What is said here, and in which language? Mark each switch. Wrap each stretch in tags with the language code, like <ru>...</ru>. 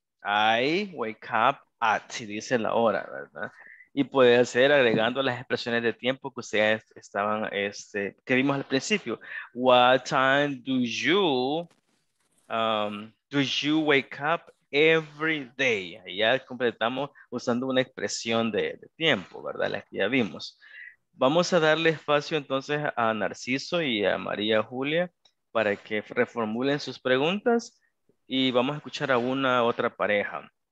<en>I wake up at,</en> <es>si dice la hora, ¿verdad? Y puede ser agregando las expresiones de tiempo que ustedes estaban, que vimos al principio.</es> <en>What time do you wake up every day?</en> <es>Ya completamos usando una expresión de tiempo, ¿verdad? La que ya vimos. Vamos a darle espacio entonces a Narciso y a María Julia para que reformulen sus preguntas y vamos a escuchar a una otra pareja.</es>